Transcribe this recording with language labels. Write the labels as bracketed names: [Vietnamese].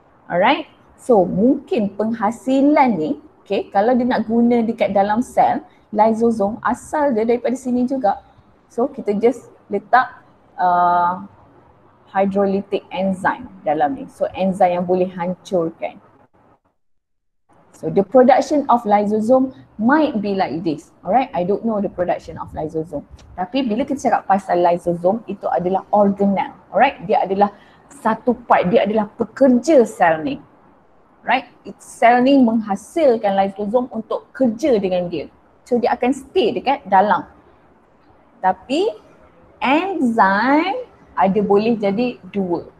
[Malay] Alright. So mungkin penghasilan ni, okay, kalau dia nak guna dekat dalam sel, lysosome asal dia daripada sini juga. So kita just letak hydrolytic enzyme dalam ni. So enzyme yang boleh hancurkan. [English] So the production of lysosome might be like this. Alright, I don't know the production of lysosome. [Malay] Tapi bila kita cakap pasal lysosome, itu adalah organelle. Alright, dia adalah satu part, dia adalah pekerja sel ni. Right, sel ni menghasilkan lysosome untuk kerja dengan dia. So dia akan stay dekat dalam. Tapi enzyme ada boleh jadi dua.